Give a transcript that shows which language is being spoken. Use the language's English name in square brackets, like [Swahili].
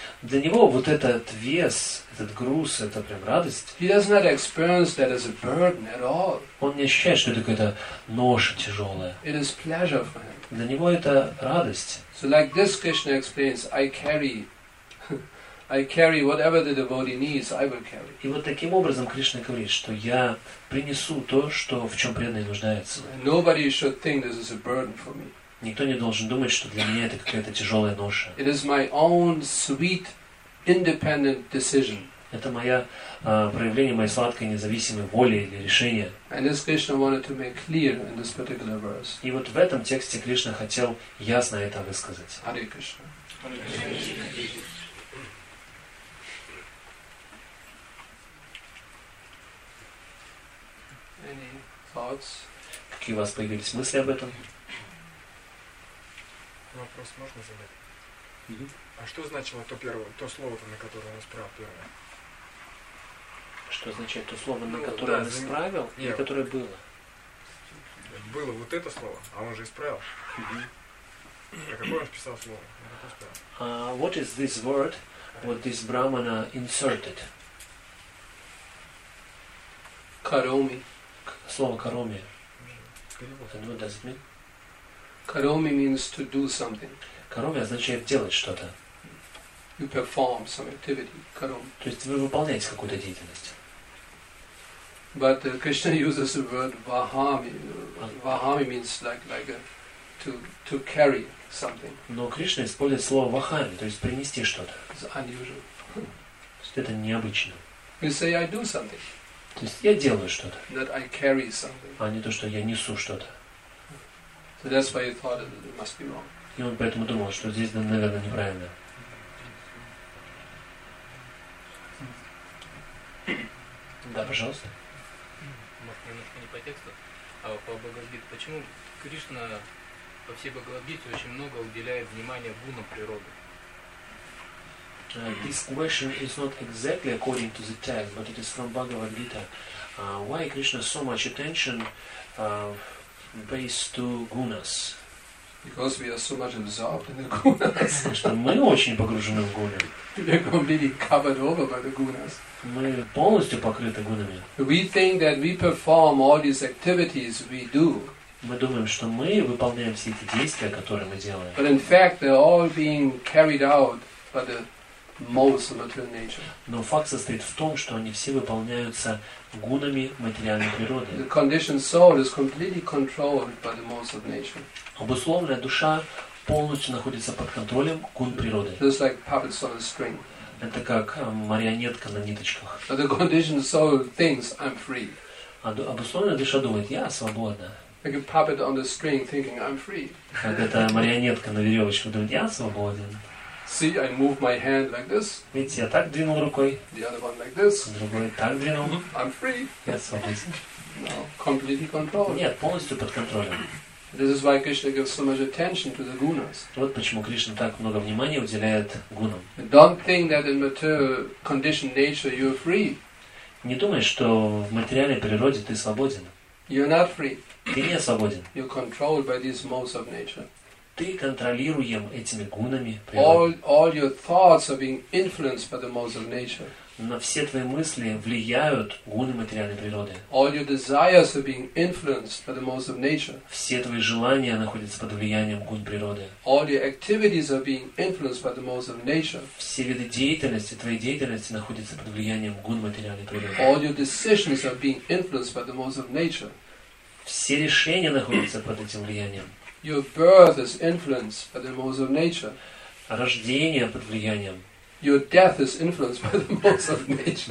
[Russian] Для него вот этот вес, этот груз, это прям радость. [English] He does not experience that as a burden at all. [Russian] Он не ощущает, что это какая-то ноша тяжелая. [English] It is pleasure for him. [Russian] Для него это радость. [English] So like this Krishna explains, I carry whatever the devotee needs, I will carry. [Russian] И вот таким образом Кришна говорит, что я принесу то, что в чем преданный нуждается. [English] Nobody should think this is a burden for me. [Russian] Никто не должен думать, что для меня это какая-то тяжелая ноша. [English] It is my own sweet, independent decision. [Russian] Это моя проявление моей сладкой независимой воли или решения. [English] And this Krishna wanted to make clear in this particular verse. [Russian] И вот в этом тексте Кришна хотел ясно это высказать. [English] Hare Krishna. Any thoughts? [Russian] Какие у вас появились мысли об этом? Вопрос можно задать? А что значило то первое, то слово, на которое он исправил первое? Что означает то слово, на которое он исправил, или которое было? Было вот это слово, а он же исправил. А какое он вписал слово? [English] What is this word, what this brahmana inserted? [Sanskrit] Karomi. [Russian] Слово karomi. [English] And what does it mean? Karomi means to do something. [Russian] Karomi означает делать что-то. [English] You perform some activity, karomi. [Russian] То есть вы выполняете какую-то деятельность. [English] But Krishna uses the word vahami. Vahami means like to carry something. [Russian] Но Кришна использует слово vahami, то есть принести что-то. [English] It's unusual. [Russian] То есть это необычно. [English] You say I do something. [Russian] То есть я делаю что-то. [English] That I carry something. [Russian] А не то, что я несу что-то. [English] So that's why you thought it must be wrong. [Russian] И он поэтому думал, что здесь, наверное, неправильно. Да, пожалуйста. Может, немножко не по тексту, а по Бхагавад-гите. Почему Кришна по всей Бхагавад-гите очень много уделяет внимания гунам природы? [English] This question is not exactly according to the text, but it is from Bhagavad Gita. Why Krishna so much attention based to gunas? Because we are so much absorbed in the gunas. [Russian] Что мы очень погружены в гуны. [English] We are completely covered over by the gunas. [Russian] Мы полностью покрыты гунами. [English] We think that we perform all these activities we do. [Russian] Мы думаем, что мы выполняем все эти действия, которые мы делаем. [English] But in fact, they are all being carried out by the most material nature. [Russian] Но факт состоит в том, что они все выполняются гунами материальной природы. [English] The conditioned soul is completely controlled by the most of nature. [Russian] Обусловленная душа полностью находится под контролем гун природы. [English] Just like puppets on a string. [Russian] Это как марионетка на ниточках. [English] But the conditioned soul thinks I'm free. [Russian] Обусловленная душа думает, я свободна. [English] Like a puppet on the string thinking I'm free. [Russian] Как эта марионетка на веревочке думает, я свободен. [English] See, I move my hand like this. [Russian] Видите, я так двинул рукой. [English] The other one like this. [Russian] Другой так двинул. [English] I'm free. [Russian] Я свободен. [English] No, completely controlled. [Russian] Нет, полностью под контролем. [English] This is why Krishna gives so much attention to the gunas. [Russian] Вот почему Кришна так много внимания уделяет гунам. [English] Don't think that in material conditioned nature you are free. [Russian] Не думай, что в материальной природе ты свободен. [English] You're not free. [Russian] Ты не свободен. [English] You're controlled by these modes of nature. [Russian] Ты контролируем этими гунами. [English] All your thoughts are being influenced by the modes of nature. [Russian] Но все твои мысли влияют гуны материальной природы. [English] All your desires are being influenced by the modes of nature. [Russian] Все твои желания находятся под влиянием гун природы. [English] All your activities are being influenced by the modes of nature. [Russian] Все виды деятельности, твои деятельности находятся под влиянием гун материальной природы. [English] All your decisions are being influenced by the modes of nature. [Russian] Все решения находятся под этим влиянием. [English] Your birth is influenced by the modes of nature. [Russian] Рождение под влиянием. [English] Your death is influenced by the modes of nature.